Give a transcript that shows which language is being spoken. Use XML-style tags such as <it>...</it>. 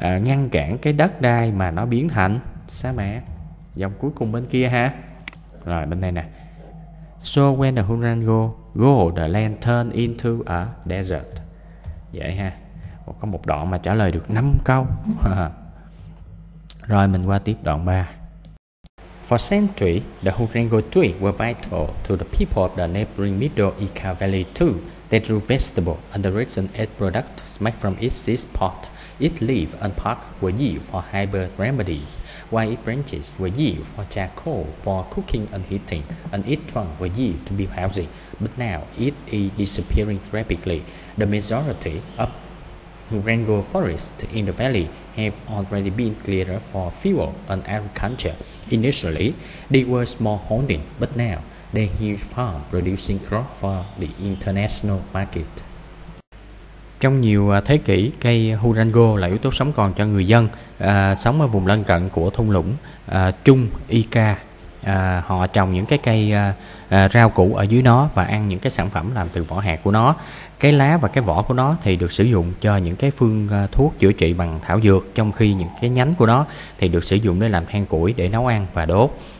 <vi>Ngăn cản cái đất đai mà nó biến thành sa mạc. Dòng cuối cùng bên kia ha. Rồi bên đây nè,</vi> <en>so when the hurango go, the land turn into a desert.</en> <vi>Vậy ha, có một đoạn mà trả lời được 5 câu. Rồi mình qua tiếp đoạn 3.</vi> <en>For centuries, the hurango tree were vital to the people of the neighboring Middle Ica Valley too. They grew vegetables and the resin egg products made from its seed pot. Its leaves and pulp were used for herbal remedies, while its branches were used for charcoal for cooking and heating, and its trunk was used to build housing. But now it is disappearing rapidly. The majority of hurango forests in the valley have already been cleared for fuel and agriculture. Initially, they were small holdings, but now they have huge farms producing crops for the international market.</en> <vi>Trong nhiều thế kỷ, cây hurango là yếu tố sống còn cho người dân sống ở vùng lân cận của thung lũng Trung Ica. Họ trồng những cái cây rau củ ở dưới nó và ăn những cái sản phẩm làm từ vỏ hạt của nó. Cái lá và cái vỏ của nó thì được sử dụng cho những cái phương thuốc chữa trị bằng thảo dược, trong khi những cái nhánh của nó thì được sử dụng để làm than củi để nấu ăn và đốt.</vi>